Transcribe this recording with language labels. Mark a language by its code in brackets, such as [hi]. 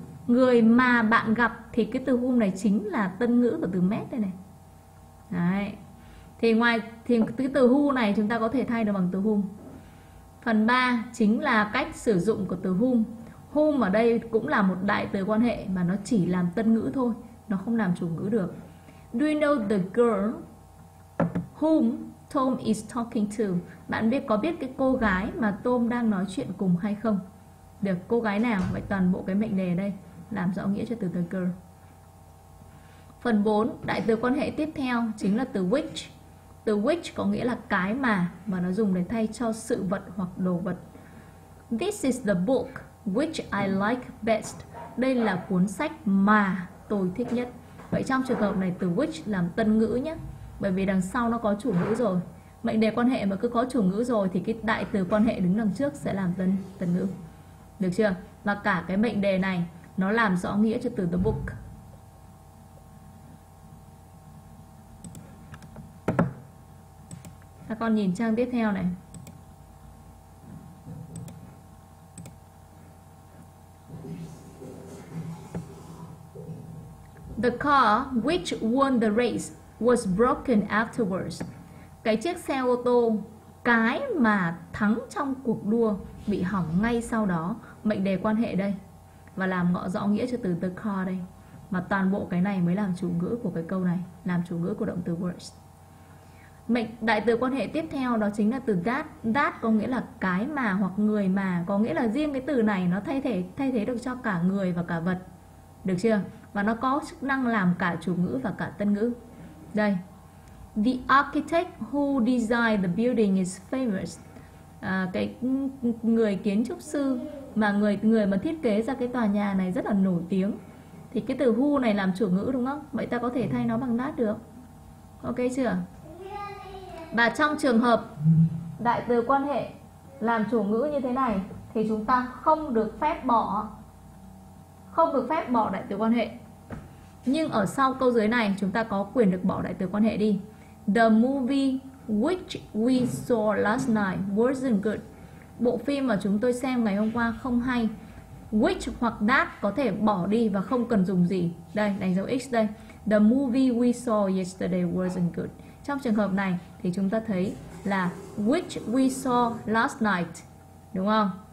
[vi] Người mà bạn gặp thì cái từ whom này chính là tân ngữ của từ met đây này. Đấy. Thì cái từ who này chúng ta có thể thay được bằng từ whom. Phần 3 chính là cách sử dụng của từ whom. Whom ở đây cũng là một đại từ quan hệ mà nó chỉ làm tân ngữ thôi, nó không làm chủ ngữ được. [en] Do you know the girl whom Tom is talking to? [vi] Bạn biết có biết cái cô gái mà Tom đang nói chuyện cùng hay không? Được, cô gái nào? Vậy toàn bộ cái mệnh đề đây làm rõ nghĩa cho từ the girl. Phần 4, đại từ quan hệ tiếp theo chính là từ which. Từ which có nghĩa là cái mà nó dùng để thay cho sự vật hoặc đồ vật. [en] This is the book which I like best. [vi] Đây là cuốn sách mà tôi thích nhất. Vậy trong trường hợp này từ which làm tân ngữ nhé, bởi vì đằng sau nó có chủ ngữ rồi. Mệnh đề quan hệ mà cứ có chủ ngữ rồi thì cái đại từ quan hệ đứng đằng trước sẽ làm tân ngữ. Được chưa? Và cả cái mệnh đề này nó làm rõ nghĩa cho từ the book. Các con nhìn trang tiếp theo này. [en] The car which won the race was broken afterwards. [vi] Cái chiếc xe ô tô Cái mà thắng trong cuộc đua bị hỏng ngay sau đó. Mệnh đề quan hệ đây. Và làm ngõ rõ nghĩa cho từ the core đây. Mà toàn bộ cái này mới làm chủ ngữ của cái câu này, làm chủ ngữ của động từ worst. Mệnh đại từ quan hệ tiếp theo đó chính là từ that. That có nghĩa là cái mà hoặc người mà, có nghĩa là riêng cái từ này nó thay thế được cho cả người và cả vật. Được chưa? Và nó có chức năng làm cả chủ ngữ và cả tân ngữ. Đây. [en] The architect who designed the building is famous. [vi] À, cái người kiến trúc sư mà người người mà thiết kế ra cái tòa nhà này rất là nổi tiếng. Thì cái từ who này làm chủ ngữ đúng không? Vậy ta có thể thay nó bằng that được. Ok chưa? Và trong trường hợp đại từ quan hệ làm chủ ngữ như thế này thì chúng ta không được phép bỏ đại từ quan hệ. Nhưng ở sau câu dưới này chúng ta có quyền được bỏ đại từ quan hệ đi. [en] The movie which we saw last night wasn't good. [vi] Bộ phim mà chúng tôi xem ngày hôm qua không hay. Which hoặc that có thể bỏ đi và không cần dùng gì. Đây, đánh dấu X đây. [en] The movie we saw yesterday wasn't good. [vi] Trong trường hợp này thì chúng ta thấy là [en] which we saw last night. [vi] Đúng không?